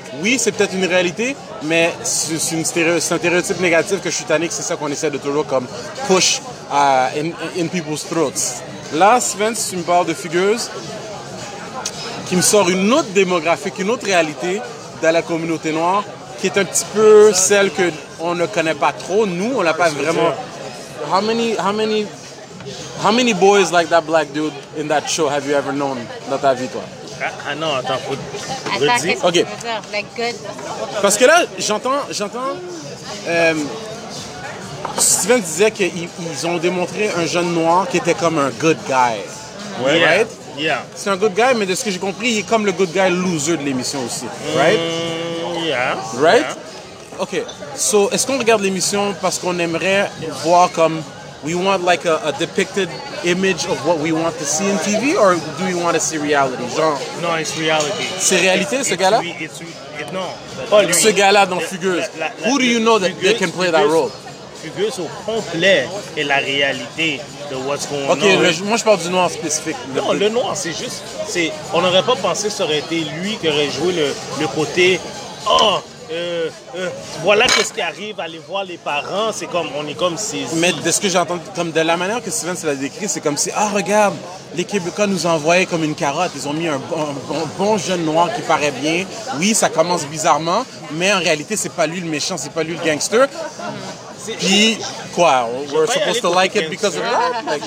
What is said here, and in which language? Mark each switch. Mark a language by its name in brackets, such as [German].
[French] Oui, c'est peut-être une réalité, mais c'est un stéréotype négatif que je suis tanné que c'est ça qu'on essaie de toujours comme [English] push in people's throats. [French] Là, Sven, si tu me parles de figures qui me sort une autre démographie, une autre réalité dans la communauté noire qui est un petit peu celle qu'on ne connaît pas trop. Nous, on l'a pas vraiment... [English] How many boys like that black dude in that show have you ever known [French] dans ta vie, toi? Ah non, attends, faut redire. Attends, qu'est-ce que tu veux dire? Like good. Parce que là, j'entends. Steven disait qu'ils ont démontré un jeune noir qui était comme un good guy. Ouais. [English] Right? Yeah. [French] C'est un good guy, mais de ce que j'ai compris, il est comme le good guy loser de l'émission aussi. [English] Right? Yeah. Right? Yeah. Ok. [French] So, est-ce qu'on regarde l'émission parce qu'on aimerait voir comme. [English] We want like a depicted image of what we want to see in TV, or do we want to see reality? [French] Genre, [English] no, it's reality. [French] C'est réalité, [English] it's, [French] ce gars-là? Non. Ce gars-là dans Fugueuse. [English] Who do you know that they can play that role? [French] Fugueuse au complet est la réalité de [English] what's going on. [French] Ok, moi je parle du noir spécifique. Non, le noir, c'est juste. C'est, on n'aurait pas pensé que ça aurait été lui qui aurait joué le côté. Oh! Voilà qu'est-ce qui arrive, aller voir les parents, c'est comme, on est comme si... Mais de ce que j'entends, comme de la manière que Steven se l'a décrit, c'est comme si, ah regarde, les Québécois nous ont envoyé comme une carotte, ils ont mis un bon jeune noir qui paraît bien. Oui, ça commence bizarrement, mais en réalité, c'est pas lui le méchant, c'est pas lui le gangster. Puis, quoi, [English] we're supposed to like it because of that?